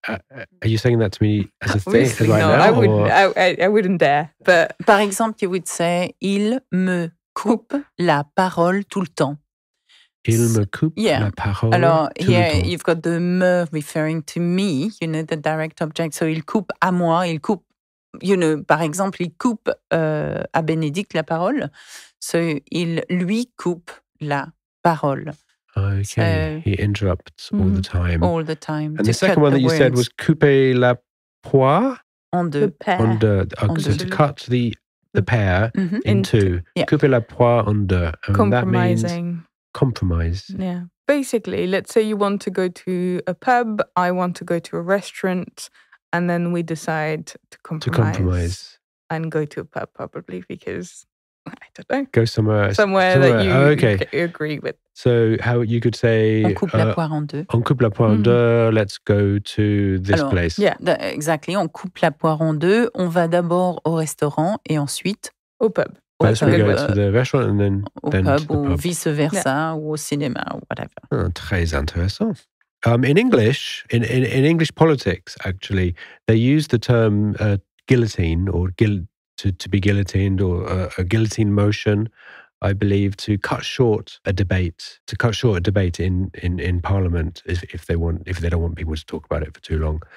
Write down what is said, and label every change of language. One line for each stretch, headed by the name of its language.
English: Are you saying that to me as a thing right not. Now? I wouldn't dare. But
French: par exemple,
English: you would say,
French: il me... coupe la parole tout le temps. Il me coupe la parole. Alors, tout
English: here
French: le temps.
English: You've got the me referring to me, the direct object.
French: So il coupe à moi, il coupe, par exemple, il coupe à Bénédicte la parole. So il lui coupe la parole.
English: Okay. So, he interrupts all the time. All the time. And the second one that you said was
French: couper la poire en deux. En deux.
English: Oh, so to cut the. The pair mm-hmm.
French: into couper la poire en deux.
English: Compromising. That means compromise. Yeah. Basically, let's say you want to go to a pub, I want to go to a restaurant, and then we decide to compromise. To compromise. And go to a pub, probably, because I don't know. Go somewhere. Somewhere that you agree with. So how you could say...
French: On coupe la poire en deux. On coupe la poire en deux,
English: let's go to this place. Yeah, exactly.
French: On coupe la poire en deux, on va d'abord au restaurant et ensuite... Au pub.
English: First we go to the restaurant and then,
French: pub. Ou vice-versa, ou au cinéma, ou whatever. Oh, très intéressant.
English: In English, in English politics, actually, they use the term guillotine or to be guillotined or a guillotine motion, I believe, to cut short a debate, in Parliament if they don't want people to talk about it for too long.